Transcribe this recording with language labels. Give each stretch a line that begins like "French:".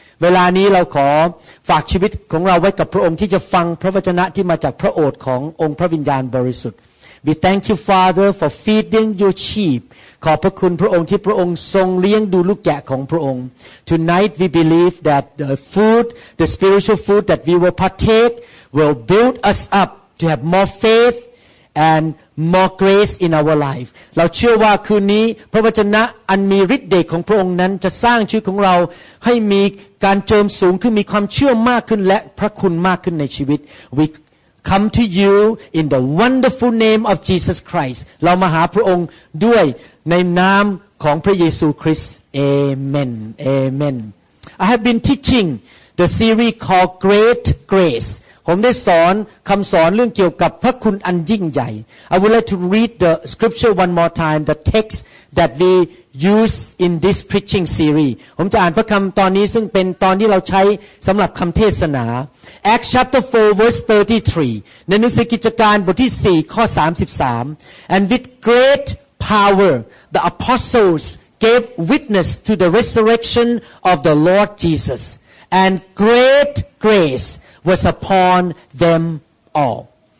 Thai: เวลานี้เราขอฝากชีวิตของเราไว้กับพระองค์ที่จะฟังพระวจนะที่มาจากพระโอษฐ์ขององค์พระวิญญาณบริสุทธิ์
English: We thank you, Father, for feeding your sheep.
Thai: ขอบพระคุณพระองค์ที่พระองค์ทรงเลี้ยงดูลูกแกะของพระองค์
English: Tonight we believe that the food, the spiritual food that we will partake. Will build us up to have more faith and more grace in our life.
Thai: เราเชื่อว่าคืนนี้พระวจนะอันมีฤทธิ์เดชของพระองค์นั้นจะสร้างชีวิตของเราให้มีการเจิมสูงขึ้นมีความเชื่อมากขึ้นและพระคุณมากขึ้นในชีวิต
English: We come to you in the wonderful name of Jesus Christ.
Thai: เรามาหาพระองค์ด้วยในนามของพระเยซูคริสต์ Amen.
English: Amen. I have been teaching the series called Great Grace.
Thai: ผมได้สอนคำสอนเรื่องเกี่ยวกับพระคุณอันยิ่งใหญ่
English: I would like to read the scripture one more time the text that we use in this preaching series
Thai: ผมจะอ่านพระคำตอนนี้ซึ่งเป็นตอนที่เราใช้สำหรับคำเทศนา
English: Acts chapter 4 verse 33
Thai: ในหนังสือกิจการบทที่4ข้อ33
English: and with great power the apostles gave witness to the resurrection of the Lord Jesus and great graceWas upon them all.